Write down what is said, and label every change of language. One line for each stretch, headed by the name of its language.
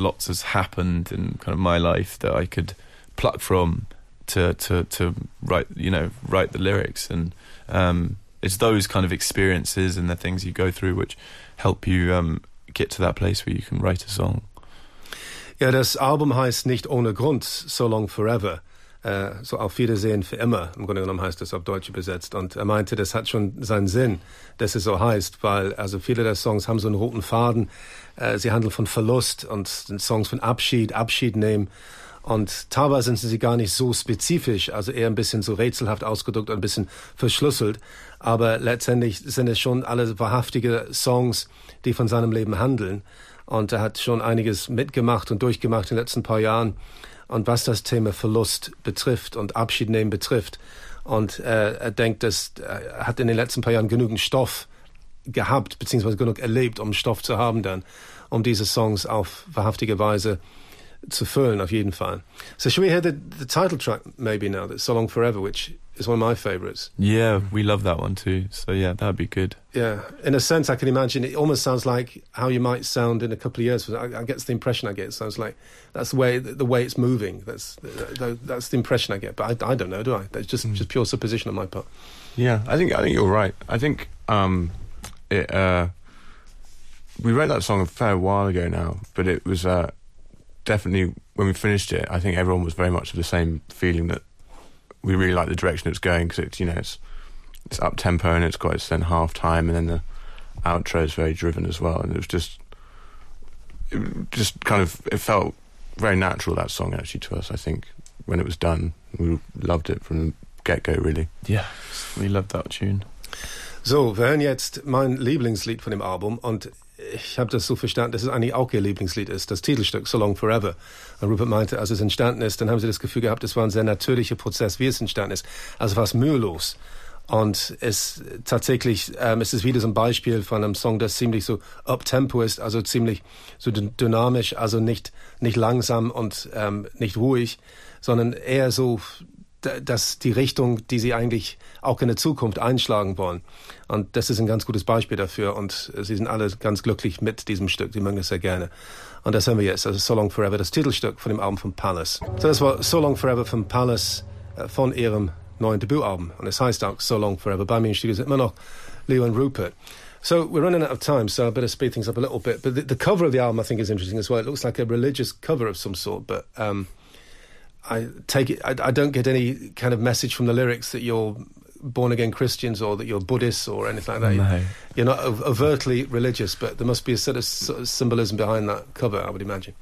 English: Lots has happened in kind of my life that I could pluck from to write, you know, write the lyrics. And it's those kind of experiences and the things you go through which help you get to that place where you can write a song.
German: Ja, das Album heißt nicht ohne Grund So Long Forever. so Auf Wiedersehen für immer, im Grunde genommen heißt das auf Deutsch übersetzt. Und er meinte, das hat schon seinen Sinn, dass es so heißt, weil also viele der Songs haben so einen roten Faden. Sie handeln von Verlust und Songs von Abschied, Abschied nehmen. Und teilweise sind sie gar nicht so spezifisch, also eher ein bisschen so rätselhaft ausgedrückt und ein bisschen verschlüsselt. Aber letztendlich sind es schon alle wahrhaftige Songs, die von seinem Leben handeln. Und er hat schon einiges mitgemacht und durchgemacht in den letzten paar Jahren. Und was das Thema Verlust betrifft und Abschied nehmen betrifft. Und er denkt, dass er hat in den letzten paar Jahren genügend Stoff gehabt, beziehungsweise genug erlebt, um Stoff zu haben dann, um diese Songs auf wahrhaftige Weise zu füllen, auf jeden Fall.
English: So should we hear the title track maybe now, So Long Forever, which is one of my favorites. Yeah, we love that one too. So yeah, that'd be good. Yeah, in a sense, I can imagine it almost sounds like how you might sound in a couple of years. I get the impression I get. It sounds like that's the way it's moving. That's the impression I get. But I don't know, do I? That's just pure supposition on my part. Yeah, I think you're right. I think we wrote that song a fair while ago now, but it was definitely when we finished it. I think everyone was very much of the same feeling that we really like the direction it's going, because it's, you know, it's up tempo and it's quite then half time, and then the outro is very driven as well, and it was just kind of, it felt very natural, that song, actually, to us. I think when it was done, we loved it from the get-go, really. Yeah, we loved that tune.
German: So, wir hören jetzt mein Lieblingslied von dem Album, und ich habe das so verstanden, dass es eigentlich auch ihr Lieblingslied ist, das Titelstück, So Long Forever. Und Rupert meinte, als es entstanden ist, dann haben sie das Gefühl gehabt, es war ein sehr natürlicher Prozess, wie es entstanden ist. Also war es mühelos. Und es tatsächlich, es ist wieder so ein Beispiel von einem Song, das ziemlich so up-tempo ist, also ziemlich so dynamisch, also nicht langsam und nicht ruhig, sondern eher so, dass die Richtung, die sie eigentlich auch in der Zukunft einschlagen wollen. Und das ist ein ganz gutes Beispiel dafür. Und sie sind alle ganz glücklich mit diesem Stück. Die mögen es sehr gerne. Und das hören wir jetzt. Also So Long Forever, das Titelstück von dem Album von Palace. So das war So Long Forever von Palace, von ihrem neuen Debütalbum. Und es heißt auch So Long Forever. Bei mir im Studio sind immer noch Leo und Rupert.
English: So we're running out of time, so I better speed things up a little bit. But the cover of the album, I think, is interesting as well. It looks like a religious cover of some sort, but I don't get any kind of message from the lyrics that you're born again Christians or that you're Buddhists or anything like that. No. You're not overtly religious, but there must be a sort of symbolism behind that cover, I would imagine.